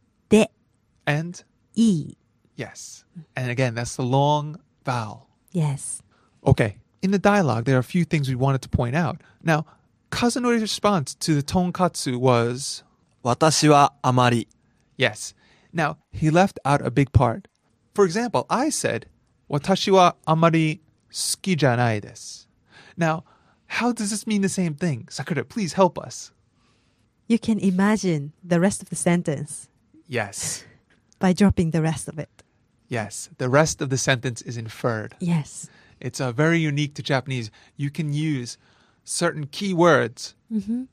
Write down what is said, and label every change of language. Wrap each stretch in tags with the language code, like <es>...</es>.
<en>で. And? い. Yes. And again, that's the long vowel. Yes. Okay. In the dialogue, there are a few things we wanted to point out. Now, Kazunori's response to the tonkatsu was...</en> <ja>私はあまり.</ja> <en>Yes. Now, he left out a big part. For example, I said,</en> <ja>私はあまり好きじゃないです.</ja> <en>Now, how does this mean the same thing? Sakura, please help us. You can imagine the rest of the sentence. Yes. By dropping the rest of it. Yes, the rest of the sentence is inferred. Yes. It's very unique to Japanese. You can use certain key words mm-hmm.</en>